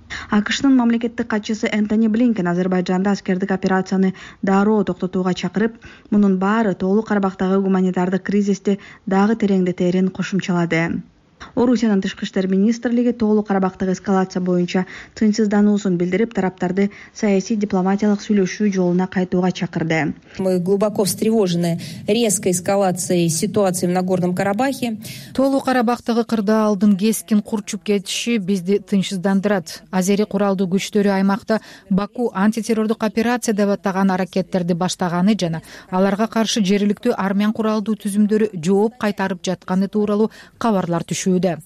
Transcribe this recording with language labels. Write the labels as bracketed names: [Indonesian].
[Kyrgyz] АКШнын мамлекеттик катчысы Энтони Блинкен Азербайджанда аскердик операцияны дароо токтотууга чакырып, мунун баары Тоолу Карабактагы гуманитардык кризисти дагы тереңдетэрин кошумчалады. Орусиянын тышкы иштер министрлиги Тоолу Карабактагы эскалация боюнча тынчсыздануусун билдирип, тараптарды саясий дипломатиялык сүйлөшүү жолуна кайтууга чакырды. [Russian] Мы глубоко встревожены резкой эскалацией ситуации в Нагорном Карабахе. [Kyrgyz] Тоолу Карабактагы кырдаалдын кескин курчуп кетиши бизди тынчсыздандырат. Азери куралдуу күчтөрү аймакта Баку антитеррордук операция деп атаган аракеттерди баштаганы жана аларга каршы жергиликтүү армян куралдуу түзүмдөрү жооп кайтарып жатканы тууралуу кабарлар түшүүдө.